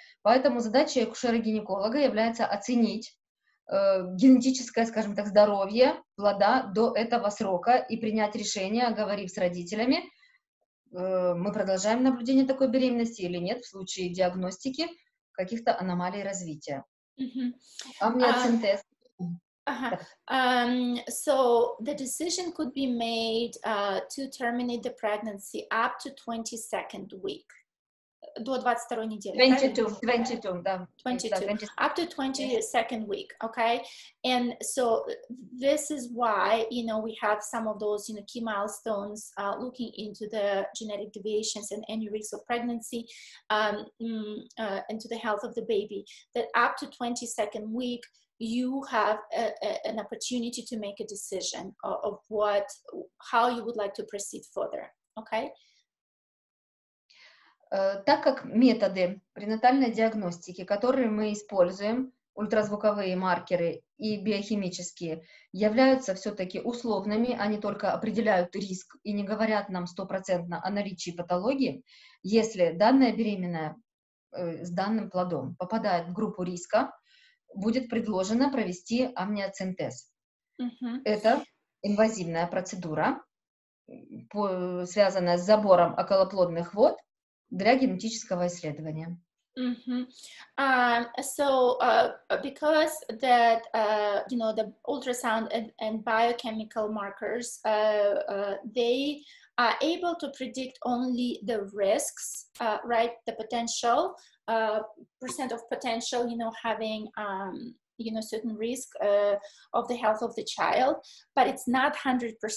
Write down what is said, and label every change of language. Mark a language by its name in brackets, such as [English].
[Russian] Поэтому задача акушера-гинеколога является оценить генетическое, скажем так, здоровье плода до этого срока и принять решение, говорив с родителями, мы продолжаем наблюдение такой беременности или нет в случае диагностики каких-то аномалий развития. Mm-hmm. Амниоцентез. [English] So the decision could be made to terminate the pregnancy up to 22nd week. [Russian] До 22 недели. 22, да. [English] 22, up to 22nd week, okay? And so this is why, you know, we have some of those, you know, key milestones looking into the genetic deviations and any risk of pregnancy into the health of the baby, that up to 22nd week, you have an opportunity to make a decision of what, how you would like to proceed further, okay? [Russian] Так как методы пренатальной диагностики, которые мы используем, ультразвуковые маркеры и биохимические, являются все-таки условными, они только определяют риск и не говорят нам стопроцентно о наличии патологии, если данная беременная с данным плодом попадает в группу риска, будет предложено провести амниоцентез. Mm-hmm. Это инвазивная процедура, связанная с забором околоплодных вод, для генетического исследования. Mm-hmm. [English] Because that you know, the ultrasound and biochemical markers, they are able to predict only the risks, right? The potential percent of potential, you know, having you know, certain risk of the health of the child, but it's not 100%.